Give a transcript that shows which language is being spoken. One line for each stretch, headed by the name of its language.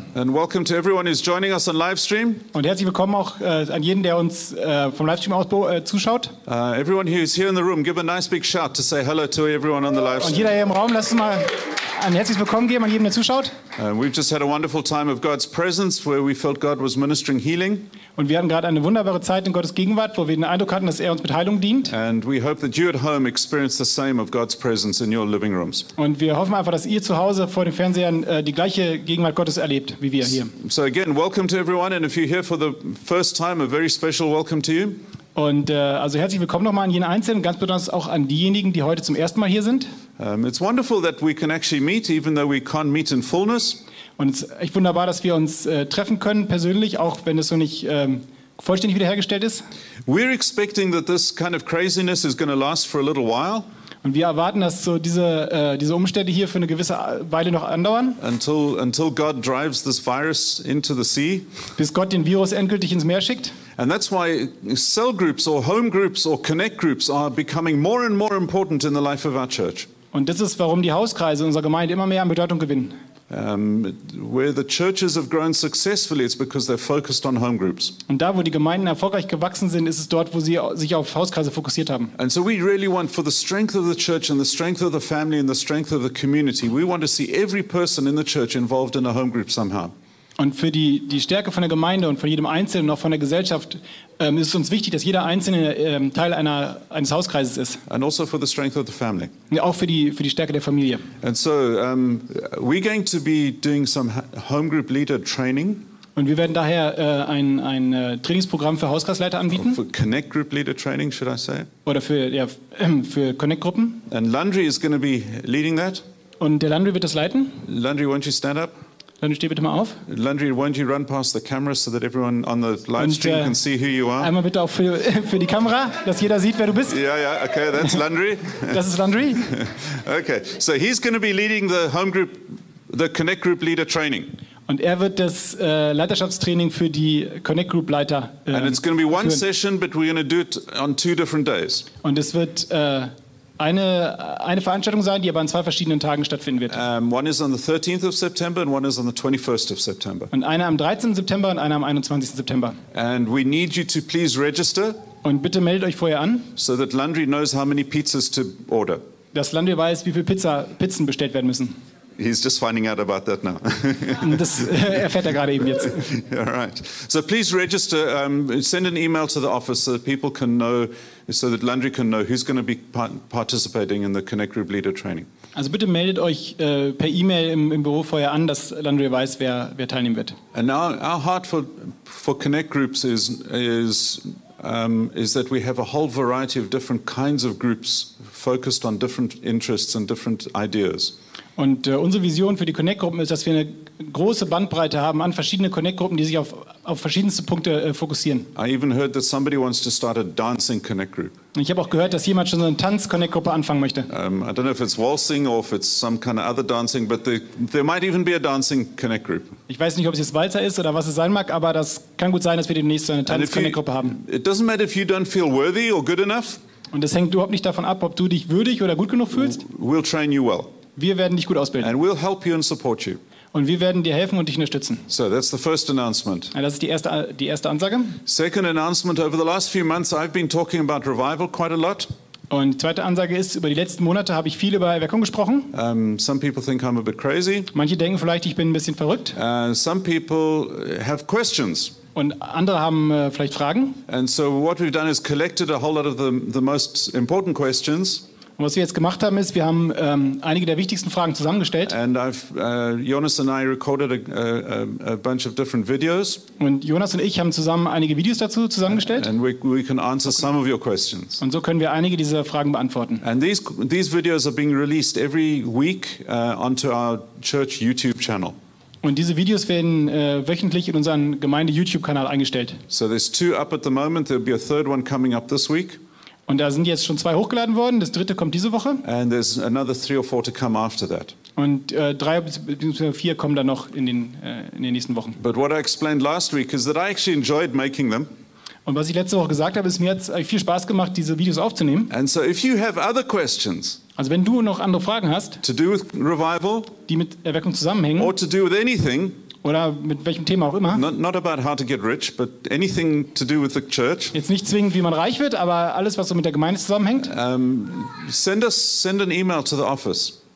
English: And welcome to everyone who's joining us on live stream.
German: Und herzlich willkommen auch an jeden, der uns vom Livestream aus zuschaut.
English: Everyone who is here in the room, give a nice big shout to say hello to everyone on the live stream.
German: Und jeder hier im Raum, lass uns mal ein herzliches Willkommen geben an jedem, der zuschaut.
English: We've just had a wonderful time of God's presence, where we felt God was ministering healing.
German: Und wir hatten gerade eine wunderbare Zeit in Gottes Gegenwart, wo wir den Eindruck hatten, dass er uns mit Heilung dient.
English: And we hope that you at home experience the same of God's presence in your living rooms.
German: Und wir hoffen einfach, dass ihr zu Hause vor den Fernsehern die gleiche Gegenwart Gottes erlebt, wie wir hier.
English: So again, welcome to everyone, and if you're here for the first time, a very special welcome to you.
German: Und also herzlich willkommen nochmal an jeden Einzelnen, ganz besonders auch an diejenigen, die heute zum ersten Mal hier sind.
English: It's wonderful that we can actually meet, even though we can't meet in fullness.
German: Und es ist echt wunderbar, dass wir uns treffen können persönlich, auch wenn es so nicht vollständig wiederhergestellt ist.
English: We're expecting that this kind of craziness is going to last for a little while.
German: Und wir erwarten, dass so diese Umstände hier für eine gewisse Weile noch andauern.
English: Until God drives this virus into the sea.
German: Bis Gott den Virus endgültig ins Meer schickt.
English: And that's why cell groups or home groups or connect groups are becoming more and more important in the life of our church.
German: Und das ist, warum die Hauskreise in unserer Gemeinde immer mehr an Bedeutung gewinnen.
English: Where the churches have grown successfully, it's because they're focused on home groups.
German: Und da, wo die Gemeinden erfolgreich gewachsen sind, ist es dort, wo sie sich auf Hauskreise fokussiert haben.
English: And so we really want, for the strength of the church and the strength of the family and the strength of the community, we want to see every person in the church involved in a home group somehow.
German: Und für die Stärke von der Gemeinde und von jedem Einzelnen und auch von der Gesellschaft ist es uns wichtig, dass jeder Einzelne Teil eines Hauskreises ist.
English: And also for the strength of the family.
German: Ja, auch für die Stärke der Familie.
English: And so, we're going to be doing some home group leader training.
German: Und wir werden daher ein Trainingsprogramm für Hauskreisleiter anbieten.
English: For connect group leader training, should I say?
German: Oder für Connect-Gruppen.
English: And Landry is going to be leading that.
German: Und der Landry wird das leiten.
English: Landry, won't you stand up?
German: Landry, steh bitte mal auf.
English: Landry, won't you run past the camera so that everyone on the live stream can see who you are?
German: Einmal bitte auch für die Kamera, dass jeder sieht, wer du bist.
English: Yeah, yeah, okay, that's Landry.
German: Das ist Landry.
English: Okay, so he's going to be leading the home group, the Connect Group leader training.
German: Und er wird das Leiterschaftstraining für die Connect Group Leiter führen.
English: And it's going to be one session, but we're going to do it on two different days.
German: Und es wird eine Veranstaltung sein, die aber an zwei verschiedenen Tagen stattfinden wird.
English: One is on the 13th of September and one is on the 21st of September.
German: Und eine am 13. September und eine am 21. September.
English: And we need you to please register.
German: Und bitte meldet euch vorher an.
English: So that Landry knows how many pizzas to order.
German: Dass Landry weiß, wie viele Pizzen bestellt werden müssen.
English: He's just finding out about that now.
German: Das erfährt er gerade eben jetzt.
English: All right. So please register, send an email to the office so that people can know, so that Landry can know who's going to be participating in the Connect Group Leader Training.
German: Also bitte meldet euch per E-Mail im Büro vorher an, dass Landry weiß, wer teilnehmen wird.
English: And our heart for Connect Groups is that we have a whole variety of different kinds of groups focused on different interests and different ideas.
German: Und unsere Vision für die Connect-Gruppen ist, dass wir eine große Bandbreite haben an verschiedene Connect-Gruppen, die sich auf verschiedenste Punkte fokussieren.
English: I even heard that somebody wants to start a dancing Connect group.
German: Ich habe auch gehört, dass jemand schon so eine Tanz-Connect-Gruppe anfangen möchte.
English: I don't know if it's waltzing or if it's some kind of other dancing, but there might even be a dancing Connect group.
German: Ich weiß nicht, ob es jetzt Walzer ist oder was es sein mag, aber das kann gut sein, dass wir demnächst so eine Tanz-Connect-Gruppe haben.
English: It doesn't matter if you don't feel worthy or good enough.
German: Und es hängt überhaupt nicht davon ab, ob du dich würdig oder gut genug fühlst.
English: We'll train you well.
German: Wir werden dich gut ausbilden.
English: And we'll help you and support you.
German: Und wir werden dir helfen und dich unterstützen.
English: So, that's the first announcement.
German: Das ist die erste Ansage.
English: Second announcement, over the last few months I've been talking about revival quite a lot.
German: Und die zweite Ansage ist, über die letzten Monate habe ich viel über Erweckung gesprochen.
English: Some people think I'm a bit crazy.
German: Manche denken vielleicht, ich bin ein bisschen verrückt.
English: Some people have questions.
German: Und andere haben vielleicht Fragen.
English: And so what we've done is collected a whole lot of the most important questions.
German: Und was wir jetzt gemacht haben, ist, wir haben einige der wichtigsten Fragen zusammengestellt.
English: And Jonas and I recorded a bunch of different videos.
German: Und Jonas und ich haben zusammen einige Videos dazu zusammengestellt.
English: And we can answer some of your questions.
German: Und so können wir einige dieser Fragen beantworten.
English: And these videos are being released every week onto our church YouTube channel.
German: Und diese Videos werden wöchentlich in unseren Gemeinde-YouTube-Kanal eingestellt.
English: So there's two up at the moment. There'll be a third one coming up this week.
German: Und da sind jetzt schon zwei hochgeladen worden. Das dritte kommt diese Woche.
English: And there's another three or four to come after that.
German: Und drei bzw. vier kommen dann noch in den nächsten Wochen.
English: But what I explained last week is that I actually enjoyed making them.
German: Und was ich letzte Woche gesagt habe, ist, mir hat es viel Spaß gemacht, diese Videos aufzunehmen.
English: And so if you have other questions,
German: also wenn du noch andere Fragen hast,
English: to do with revival,
German: die mit Erweckung zusammenhängen,
English: or to do with anything,
German: oder mit welchem Thema auch immer.
English: Not about how to get rich, but anything to do with the church.
German: Jetzt nicht zwingend, wie man reich wird, aber alles, was so mit der Gemeinde zusammenhängt.
English: Send an email to the office.